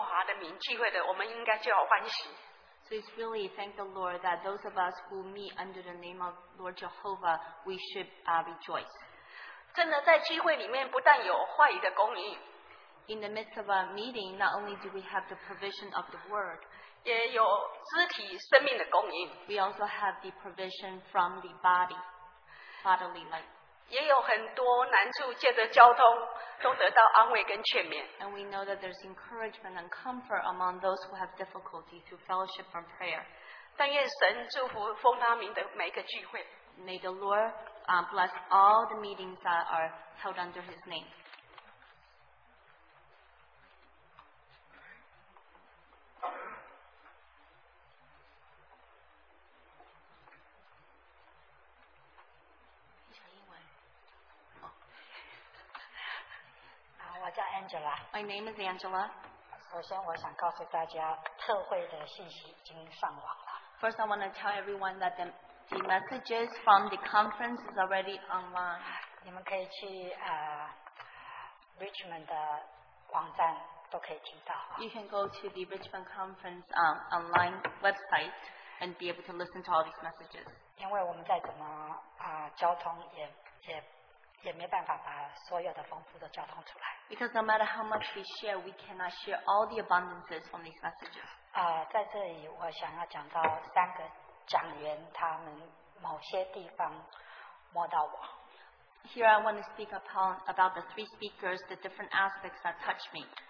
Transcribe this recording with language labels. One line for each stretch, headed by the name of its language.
Chinese: 感谢主，我们真的是说，每次要想说，人如果对我们说，我们往奉耶和华的名聚会的，我们应该就要欢喜。
English: So it's really, thank the Lord, that those of us who meet under the name of Lord Jehovah, we should rejoice.
Chinese: 真的在聚会里面不但有话语的供应。
English: In the midst of a meeting, not only do we have the provision of the word, we also have the provision from the body, bodily life. And we know that there's encouragement and comfort among those who have difficulty through fellowship and prayer. May the Lord bless all the meetings that are held under His name.
Chinese: 我叫Angela。
English: My name is Angela.
Chinese: 首先我想告诉大家，特会的信息已经上网了。
English: First, I want to tell everyone that the messages from the conference is already online.
Chinese: 你们可以去Richmond的网站
English: You can go to the Richmond Conference online website and be able to listen to all these messages. Because no matter how much we share, we cannot share all the abundances from these messages.
Chinese: 在这里我想要讲到三个讲员他们某些地方摸到我。
English: Here I want to speak upon about the three speakers, the different aspects that touch me.